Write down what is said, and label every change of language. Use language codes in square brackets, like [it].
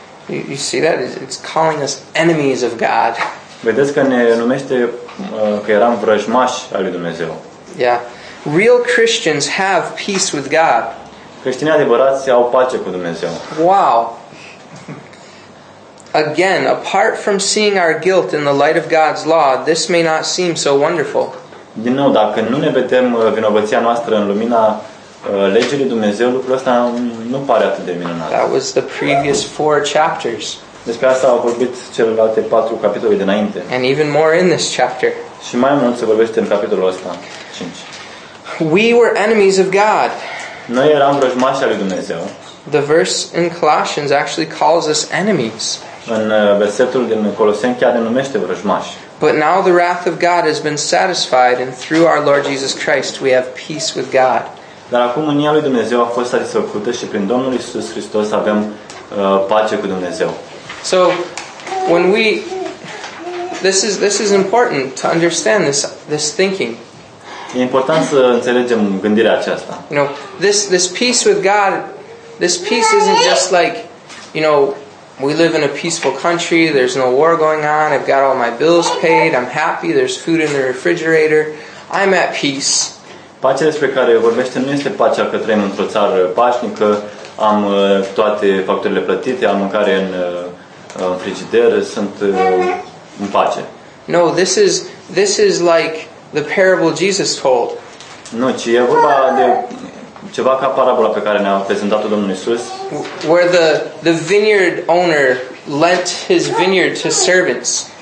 [en] You see that? It's calling us enemies of God. [ro] Vedeți că ne numește că eram vrăjmași al lui Dumnezeu. [en] Yeah. Real Christians have peace with God. [ro] Creștinii adevărați au pace cu Dumnezeu. [en] Wow. Again, apart from seeing our guilt in the light of God's law, this may not seem so wonderful. [ro] Din nou, dacă nu ne vedem vinovăția noastră în lumina legii lui Dumnezeu, lucrul ăsta nu pare atât de minunat. [en] That was the previous four chapters. [ro] Despre asta au vorbit celelalte patru capitole dinainte. [en] And even more in this chapter. [ro] Și mai mult se vorbește în capitolul ăsta, 5. [en] We were enemies of God. [ro] Noi eram vrăjmași al lui Dumnezeu. [en] The verse in Colossians actually calls us enemies. [ro] În versetul din Coloseni chiar ne numește vrăjmași. [en] But now the wrath of God has been satisfied, and through our Lord Jesus Christ we have peace with God. [ro] Dar acum mânia lui Dumnezeu a fost satisfăcută și prin Domnul Iisus Hristos avem pace cu Dumnezeu. [en] So when we this is important to understand this thinking. [ro] E important să înțelegem gândirea aceasta. [en] You know, this peace with God, this peace isn't just like, you know, we live in a peaceful country, there's no war going on, I've got all my bills paid, I'm happy, there's food in the refrigerator, I'm at peace. [ro] Pacea despre care vorbește nu este pacea că trăim într-o țară pașnică, am toate facturile plătite, am mâncare în frigider, sunt în pace. [en] No, this is like the parable Jesus told. [ro] Nu, ci e vorba de ceva ca parabola pe care ne-a prezentat-o Domnul Iisus. [en] Where the vineyard owner lent his vineyard to servants.